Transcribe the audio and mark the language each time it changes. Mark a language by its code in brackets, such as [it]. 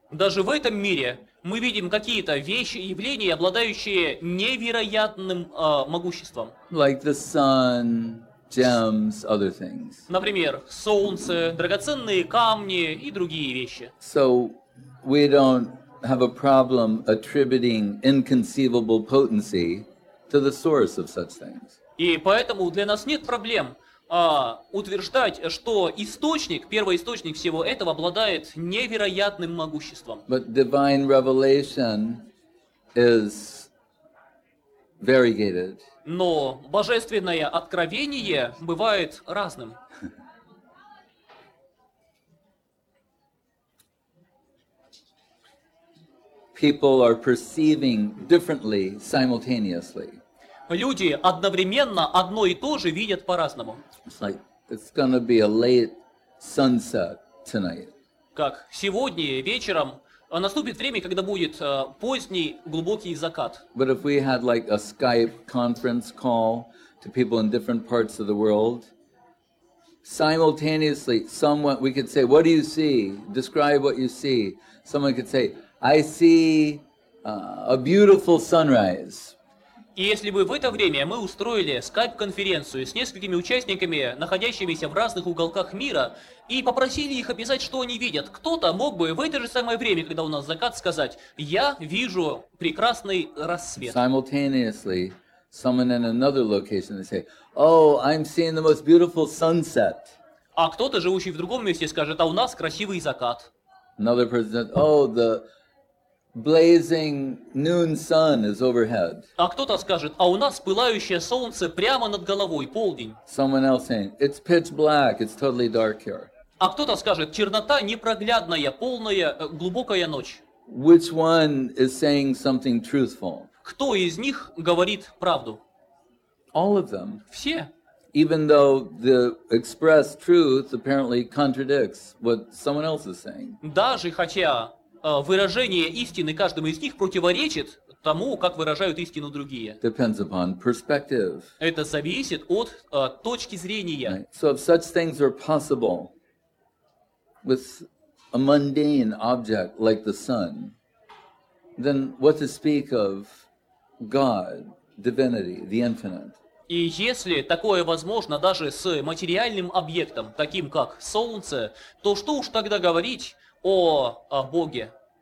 [ru] Даже в этом мире мы видим какие-то вещи, явления, обладающие невероятным могуществом. [en] Like the sun, gems, other things. [ru] Например, солнце, драгоценные камни и другие вещи. [en] So we don't have a problem attributing inconceivable potency to the source of such things. [ru] И поэтому для нас нет проблем утверждать, что источник, первоисточник всего этого обладает невероятным могуществом. [en] But divine revelation is variegated. [ru] Но божественное откровение бывает разным. [en] People are perceiving differently simultaneously. [ru] Люди одновременно одно и то же видят по-разному. [en] It's like, it's gonna be a late sunset tonight. [ru] как сегодня вечером наступит время, когда будет поздний глубокий закат. [en] But if we had like a Skype conference call to people in different parts of the world, simultaneously, someone we could say, "What do you see? Describe what you see." Someone could say, "I see a beautiful sunrise." [ru] И если бы в это время мы устроили скайп-конференцию с несколькими участниками, находящимися в разных уголках мира, и попросили их описать, что они видят, кто-то мог бы в это же самое время, когда у нас закат, сказать: «Я вижу прекрасный рассвет». [en] Simultaneously, someone in another location would say, «Oh, I'm seeing the most beautiful sunset». [ru] А кто-то, живущий в другом месте, скажет: «А у нас красивый закат». [en] Another person said, «Oh, the blazing noon sun is overhead». [ru] А кто-то скажет: «А у нас пылающее солнце прямо над головой, полдень». [en] Someone else saying, «It's pitch black, it's totally dark here». [ru] А кто-то скажет: «Чернота непроглядная, полная, глубокая ночь». [en] Which one is saying something truthful? [ru] Кто из них говорит правду? [en] All of them. [ru] Все. [en] Even though the expressed truth apparently contradicts what someone else is saying. [ru] Даже хотя выражение истины каждому из них противоречит тому, как выражают истину другие. [en] Depends upon perspective. [ru] Это зависит от точки зрения. [en] Right. So if such things are possible with a mundane object like the sun, then what to speak of God, divinity, the infinite? [ru] И если такое возможно даже с материальным объектом, таким как солнце, то что уж тогда говорить о Боге?